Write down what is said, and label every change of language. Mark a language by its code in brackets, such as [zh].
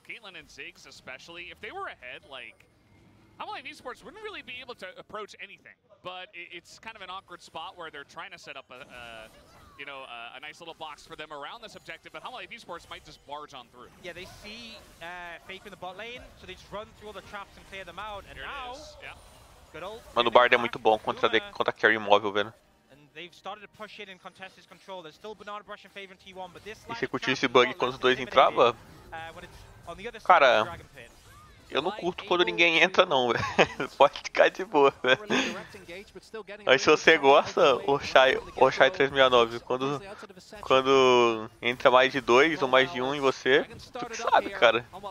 [en] Caitlyn and Ziggs, especially. If they were ahead, like, I'm like, Esports wouldn't really be able to approach anything. But it's kind of an awkward spot where they're trying to set up a nice little box for them around this objective, but Humble Esports might just barge on through. Yeah, they see Faker in the bot lane, so they just run through all the traps and clear them out, and here now... Yeah. [pt] Mano, o Bard é muito bom contra a carry imóvel, velho. [en] And They've started to push in and contest his control. There's still Bernardo Brush in favor in T1, but this. [pt] E você curtiu esse bug quando os dois entravam? Cara, eu não curto quando ninguém entra, não, velho. Pode ficar de boa, velho. Mas se você gosta, Oshai 369, quando entra mais de dois ou mais de um em você, tu que sabe, cara.